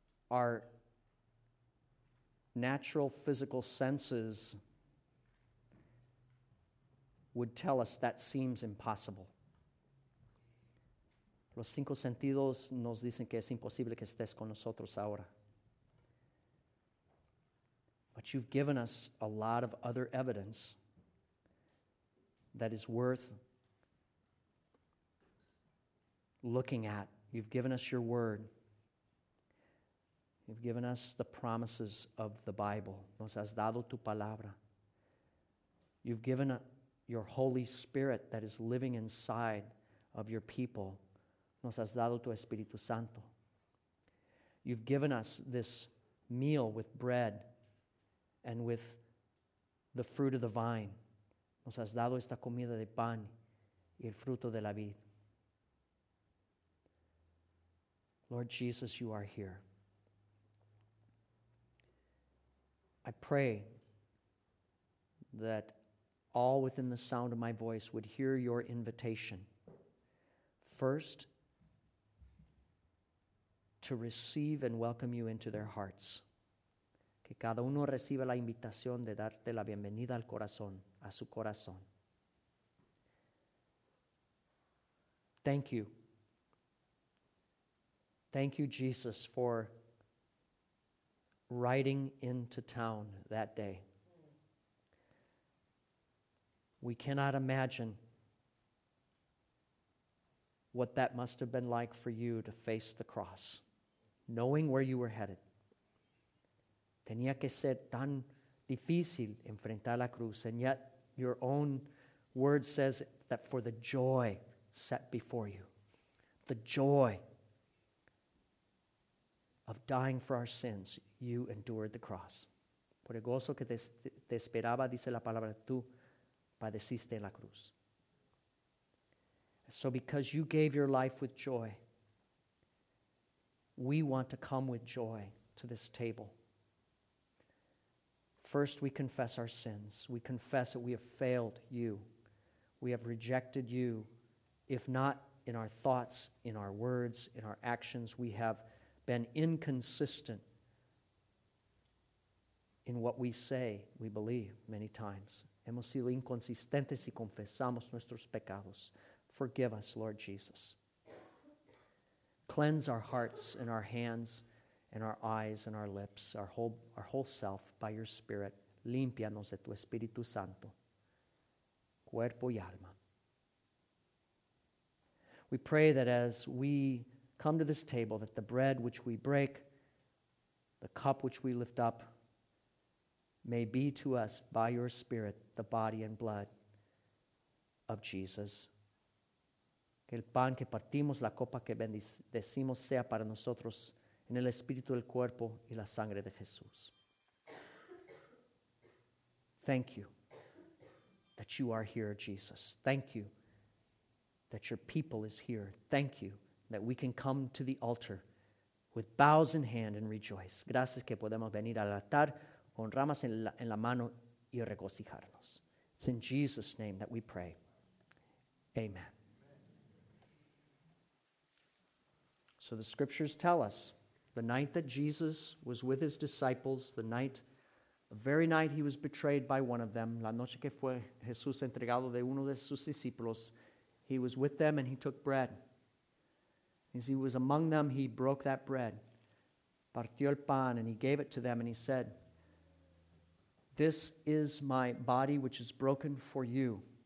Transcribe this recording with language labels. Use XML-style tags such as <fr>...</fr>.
<en>Our natural physical senses would tell us that seems impossible.</en> <es>Los cinco sentidos nos dicen que es imposible que estés con nosotros ahora.</es> <en>But you've given us a lot of other evidence that is worth looking at. You've given us your word. You've given us the promises of the Bible.</en> <es>Nos has dado tu palabra.</es> <en>You've given your Holy Spirit that is living inside of your people.</en> <es>Nos has dado tu Espíritu Santo.</es> <en>You've given us this meal with bread and with the fruit of the vine.</en> <es>Nos has dado esta comida de pan y el fruto de la vid.</es> <en>Lord Jesus, you are here. I pray that all within the sound of my voice would hear your invitation. First, to receive and welcome you into their hearts.</en> <es>Que cada uno reciba la invitación de darte la bienvenida al corazón, a su corazón.</es> <en>Thank you. Thank you, Jesus, for riding into town that day. We cannot imagine what that must have been like for you to face the cross, knowing where you were headed.</en> <es>Tenía que ser tan difícil enfrentar la cruz,</es> <en>and yet your own word says that for the joy set before you, the joy of dying for our sins, you endured the cross.</en> <es>Por el gozo que te esperaba, dice la palabra, tú padeciste la cruz.</es> <en>So because you gave your life with joy, we want to come with joy to this table. First, we confess our sins. We confess that we have failed you. We have rejected you. If not in our thoughts, in our words, in our actions, we have been inconsistent in what we say we believe many times.</en> <es>Hemos sido inconsistentes y confesamos nuestros pecados.</es> <en>Forgive us, Lord Jesus. Cleanse our hearts and our hands and our eyes and our lips, our whole self by your Spirit.</en> <es>Límpianos de tu Espíritu Santo, cuerpo y alma.</es> <en>We pray that as we come to this table, that the bread which we break, the cup which we lift up, may be to us by your Spirit the body and blood of Jesus.</en> <es>Que el pan que partimos, la copa que bendecimos, sea para nosotros en el espíritu del cuerpo y la sangre de Jesús.</es> <en>Thank you that you are here, Jesus. Thank you that your people is here. Thank you that we can come to the altar with bows in hand and rejoice.</en> <es>Gracias que podemos venir al altar con ramas en la mano y regocijarnos.</es> <en>It's in Jesus' name that we pray. Amen. So the scriptures tell us, the night that Jesus was with his disciples, the very night he was betrayed by one of them,</en> <es>la noche que fue Jesús entregado de uno de sus discípulos,</es> <en>he was with them and he took bread. As he was among them, he broke that bread,</en> <es>partió el pan,</es> <en>and he gave it to them, and he said, "This is my body which is broken for you.</en>